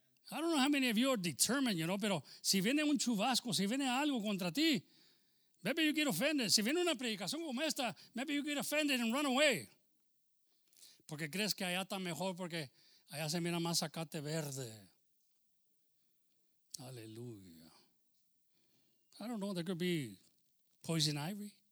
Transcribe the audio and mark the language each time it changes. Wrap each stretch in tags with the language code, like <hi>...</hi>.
<en>I don't know how many of you are determined, you know,</en> <es>pero si viene un chubasco, si viene algo contra ti,</es> <en>maybe you get offended.</en> <es>Si viene una predicación como esta,</es> <en>maybe you get offended and run away.</en> <es>Porque crees que allá está mejor porque allá se mira más zacate verde. Aleluya.</es> <en>I don't know, there could be poison ivy.</en>